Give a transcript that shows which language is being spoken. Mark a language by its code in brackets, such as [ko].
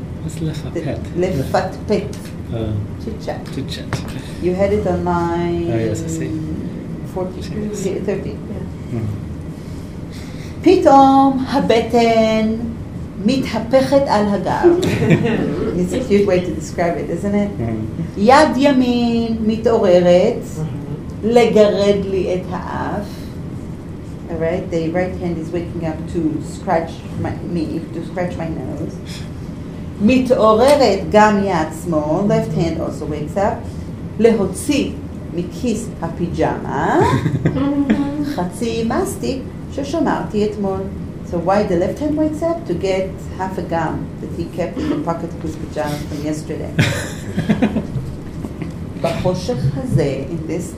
[en] What's [he] לפטפט? לפטפט. [en] Chit-chat. You had it on my... Oh, yes, I see. 14. 13. Yeah. Mm-hmm. [he] פתאום הבטן מתהפכת על הגב. [en] It's a cute way to describe it, isn't it? Mm-hmm. [he] יד ימין מתעוררת לגרד לי את האף. [en] All right, the right hand is waking up to scratch my nose. [he] מתעוררת גם יד שמאל, [en] left hand also wakes up, [he] להוציא מכיס הפיג'אמה, חצי מסטיק ששמרתי אתמול. [en] So why the left hand wakes up? To get half a gum that he kept in the pocket of his pajamas from yesterday. [he] בחושך הזה, [en] in this